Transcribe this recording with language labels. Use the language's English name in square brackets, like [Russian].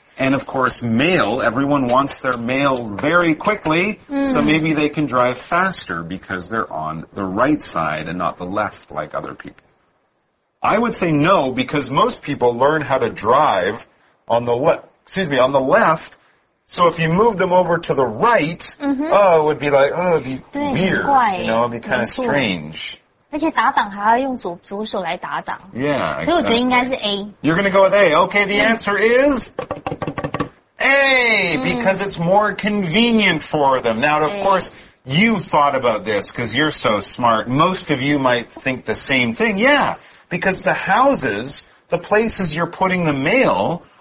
[English] And, of course, mail. Everyone wants their mail very quickly,so maybe they can drive faster because they're on the right side and not the left like other people. I would say no, because most people learn how to drive on the, on the left. So if you move them over to the right,it would be like, it'd be weird. You know, it'd be kind of strange. [Chinese] 而且打挡还要用左手来打挡。 [English] Yeah, exactly. [Chinese] 所以我觉得应该是 A. [English] You're going to go with A. Okay, the answer is A, because it's more convenient for them. Now, of course, you thought about this because you're so smart. Most of you might think the same thing. Yeah, because the houses, the places you're putting the mail...